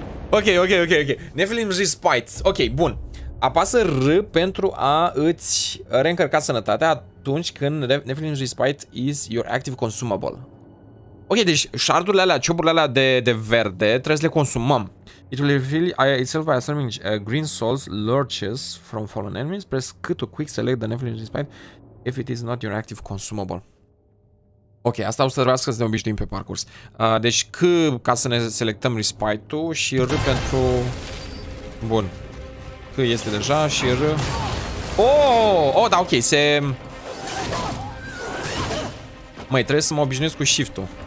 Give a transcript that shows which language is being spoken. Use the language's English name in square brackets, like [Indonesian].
[Romanian] Ok. Nephilim Respite. Ok, bun. Apasă R pentru a îți reîncărca sănătatea atunci când Nephilim Respite [English] is your active consumable. [Romanian] Ok, deci shardurile alea, cioburile alea de verde, trebuie să le consumăm. [English] It will reveal itself by assuming green souls lurches from fallen enemies. Press Q to quick select the Nephilim Respite if it is not your active consumable. [Romanian] Ok, asta o să trebuie să ne obișnuim pe parcurs. Deci Q ca să ne selectăm Respite-ul și R pentru... Bun. Q este deja și R... Oh, da, ok, se... Măi, trebuie să mă obișnuiesc cu shift-ul.